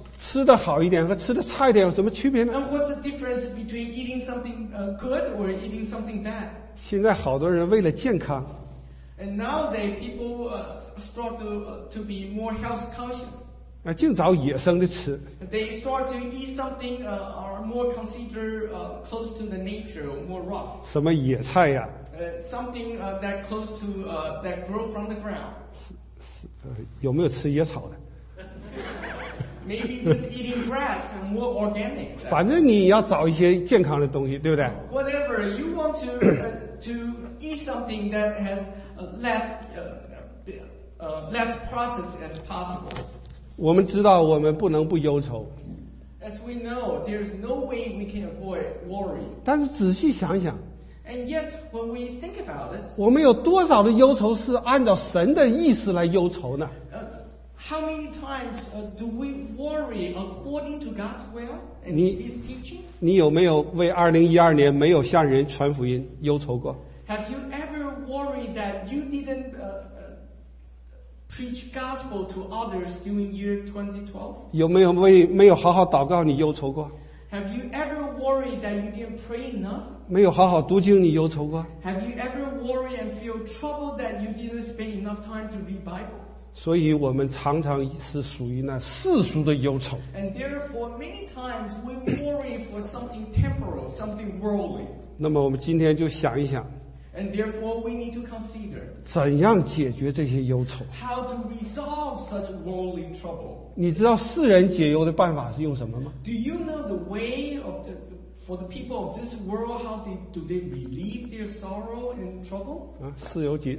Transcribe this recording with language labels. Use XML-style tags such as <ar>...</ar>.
<zh>吃得好一点和吃得差一点有什么区别呢？</zh> <en>And what's the difference between eating something good or eating something bad?</en> <zh>现在好多人为了健康，</zh> <en>And nowadays people start to be more health conscious.</en> <zh>净找野生的吃。</zh> <en>They start to eat something more considered close to the nature or more rough.</en> <zh>什么野菜呀？</zh> <en>Something that close to that grow from the ground.</en> <zh>有没有吃野草的？</zh> <en>Maybe just eating grass and more organic.</en> <zh>反正你要找一些健康的东西，对不对？</zh> <en>Whatever you want to to eat something that has less processed as possible.</en> <zh>我们知道我们不能不忧愁。</zh> <en>As we know, there is no way we can avoid worry.</en> <zh>但是仔细想想。</zh> <en>And yet, when we think about it,</en> <zh>我们有多少的忧愁是按照神的意思来忧愁呢？</zh> <en>How many times do we worry according to God's will and His teaching?</en> <zh>你有没有为2012年没有向人传福音忧愁过？</zh> <en>Have you ever worried that you didn't preach gospel to others during year 2012?</en> <zh>有没有为没有好好祷告你忧愁过？</zh> <en>Have you ever worried that you didn't pray enough?</en> <zh>没有好好读经你忧愁过？</zh> <en>Have you ever worried and feel troubled that you didn't spend enough time to read Bible?</en> <zh>所以我们常常是属于那世俗的忧愁。</zh> <en>And therefore, many times we worry for something temporal, something worldly.</en> <zh>那么我们今天就想一想。</zh> <en>And therefore, we need to consider</en> <zh>怎样解决这些忧愁。</zh> <en>How to resolve such worldly trouble?</en> <zh>你知道世人解忧的办法是用什么吗？</zh> <en>Do you know the way of for the people of this world, how do they relieve their sorrow and trouble?</en>